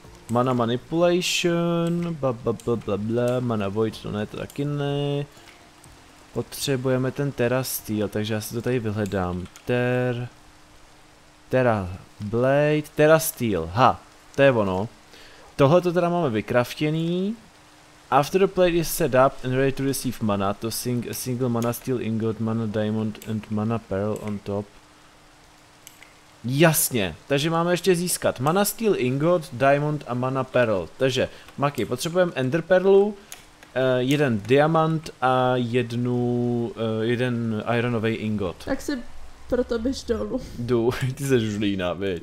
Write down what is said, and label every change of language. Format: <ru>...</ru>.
<cs>Mana manipulation, blablabla, mana void, no ne, to taky ne. Potřebujeme ten Terra Steel, takže já si to tady vyhledám. Terra Blade, Terra Steel, ha, to je ono. Tohle to teda máme vycraftěný.</cs> <en>After the plate is set up and ready to receive mana, to single mana steel ingot, mana diamond and mana pearl on top.</en> <cs>Jasně, takže máme ještě získat mana steel ingot, diamond a mana pearl. Takže, Maki, potřebujeme ender pearlu, jeden diamant a jeden ironovej ingot. Tak si proto běž dolů. Jdu, ty se žulína, viď?</cs>